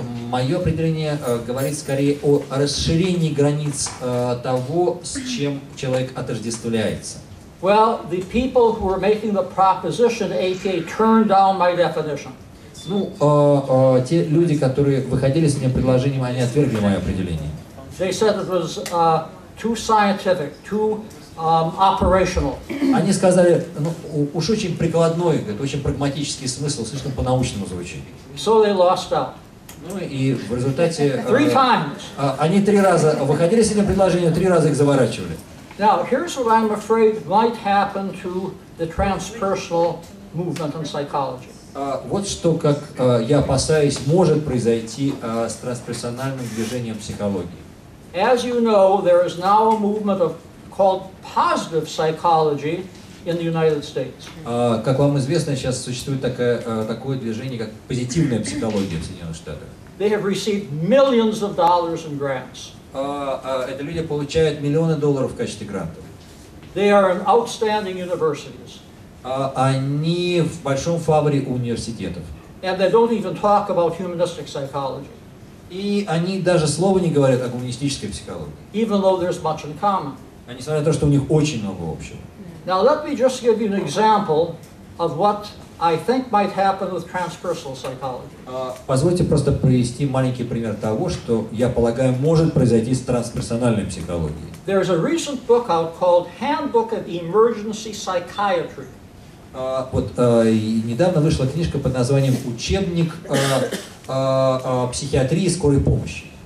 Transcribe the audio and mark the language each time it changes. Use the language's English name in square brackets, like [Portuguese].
[Russian] Моё определение говорит скорее о расширении границ того, с чем человек отождествляется. [English] Well, the people who were making the proposition APA turned down my definition. [Russian] Ну, те люди, которые выходили с этим предложением, они отвергли мое определение. [English] They said it was too scientific, too operational. [Russian] Они сказали, ну, уж очень прикладной, это очень прагматический смысл, слишком по-научному звучит. [English] So they lost out. [Russian] Ну и в результате... [English] Three times. [Russian] Они три раза выходили с этим предложением, три раза их заворачивали. [English] Now, here's what I'm afraid might happen to the transpersonal movement in psychology. [Russian] Вот что, как я опасаюсь, может произойти с трансперсональным движением психологии. [English] As you know, there is now a movement of called positive psychology in the United States. [Russian] Как вам известно, сейчас существует такое движение, как позитивная психология в Соединенных Штатах. [English] They have received millions of dollars in grants. [Russian] Это люди получают миллионы долларов в качестве грантов. [English] They are in outstanding universities. [Russian] Они в большом фаворе у университетов. [English] And they don't even talk about humanistic psychology. [Russian] И они даже слова не говорят о гуманистической психологии. [English] Even though there's much in common. [Russian] А несмотря на то, что у них очень много общего. [English] Now let me just give you an example of what I think might happen with transpersonal psychology. [Russian] Позвольте просто привести маленький пример того, что я полагаю может произойти с трансперсональной психологией. [English] There's a recent book out called Handbook of Emergency Psychiatry. [Russian] Недавно вышла книжка под названием «Учебник психиатрии скорой помощи».